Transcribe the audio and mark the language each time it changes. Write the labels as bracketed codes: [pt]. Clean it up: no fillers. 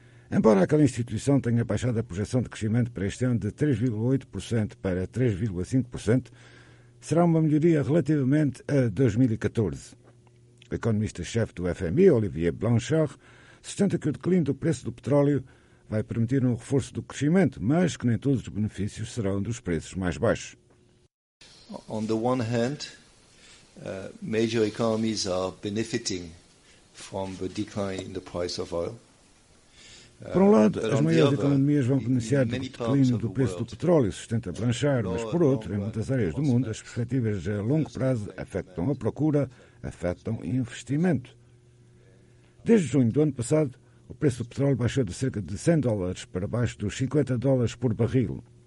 [pt] Embora aquela instituição tenha baixado a projeção de crescimento para este ano de 3,8% para 3,5%, será uma melhoria relativamente a 2014. O economista-chefe do FMI, Olivier Blanchard, sustenta que o declínio do preço do petróleo vai permitir um reforço do crescimento, mas que nem todos os benefícios serão dos preços mais baixos. [en] On the one hand, major economies are benefiting from the decline in the price of oil. [pt] Por um lado, as maiores economias vão beneficiar do declínio do preço do petróleo, sustenta Blanchard, mas por outro, em muitas áreas do mundo, as perspectivas a longo prazo afetam a procura, afetam o investimento. Desde junho do ano passado, o preço do petróleo baixou de cerca de $100 para baixo dos $50 por barril.